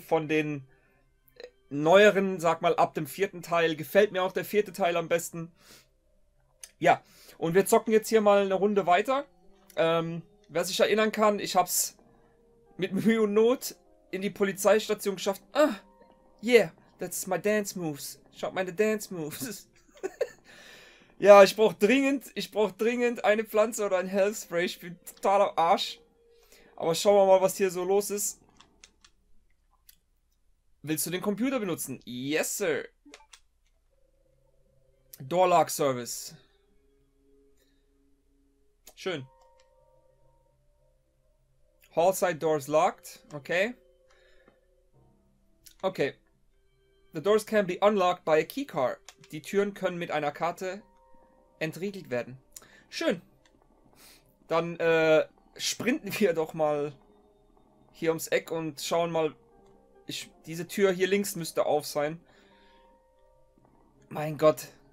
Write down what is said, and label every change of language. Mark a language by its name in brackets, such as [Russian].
[German] Von den neueren, sag mal, ab dem 4. Teil gefällt mir auch der 4. Teil am besten. Ja, und wir zocken jetzt hier mal eine Runde weiter. Wer sich erinnern kann, ich hab's mit Mühe und Not in die Polizeistation geschafft. [English] Ah, yeah, that's my dance moves. [German] Schaut meine Dance Moves. Ja, ich brauche dringend eine Pflanze oder ein Health Spray. Ich bin total am Arsch. Aber schauen wir mal, was hier so los ist. Willst du den Computer benutzen? [English] Yes, sir. Door Lock Service. [German] Schön. [English] Hall side doors locked. Okay. Okay. The doors can be unlocked by a key card. [German] Die Türen können mit einer Karte entriegelt werden. Schön. Dann sprinten wir doch mal hier ums Eck und schauen mal. Diese Tür hier links müsste auf sein. Mein Gott.